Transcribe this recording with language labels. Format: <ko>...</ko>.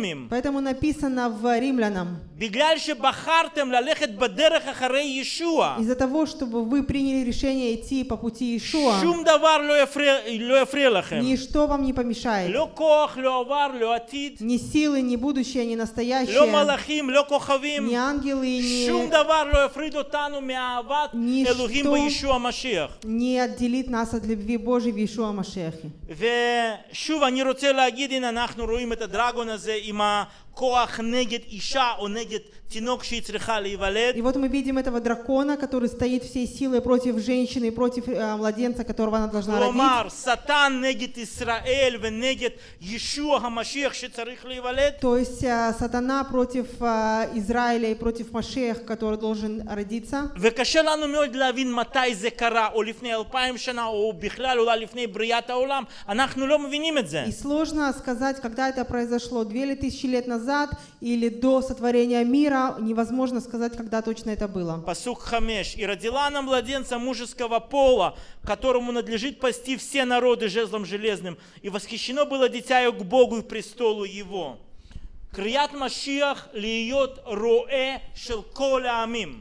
<ru>Поэтому написано в Римлянам, из-за того, чтобы вы приняли решение идти по пути Иешуа, ничто вам не помешает. Ни силы, ни будущее, ни настоящее, ни ангелы, не отделит нас от любви Божьей в Иешуа Машиахе.</ru> <he>ושוב אני רוצה להגיד, הנה אנחנו רואים את הדרגון הזה עם הכוח נגד אישה או נגד תינוק שהיא צריכה להיוולד.</he> <ru>И вот мы видим этого дракона, который стоит всей силой против женщины и против младенца, которого она должна родить.</ru> <he>כלומר, сатан נגד ישראל ונגד Иешуа המשיח שצריך להיוולד.</he> <ru>То есть сатана против Израиля и против Машиах, который должен родиться.</ru> <he>וקשה לנו מאוד להבין מתי זה קרה, או לפני 2000 שנה, או בכלל אולי לפני בריאת העולם. אנחנו לא מבינים את זה.</he> <ru>И сложно сказать, когда это произошло, 2000 лет назад или до сотворения мира. Невозможно сказать, когда точно это было.</ru> <he>Пасук хамеш.</he> <ru>И родила она младенца мужеского пола, которому надлежит пасти все народы жезлом железным. И восхищено было дитя ее к Богу и престолу его.</ru> <he>Крият Машиах льет роэ шел коля амим.</he>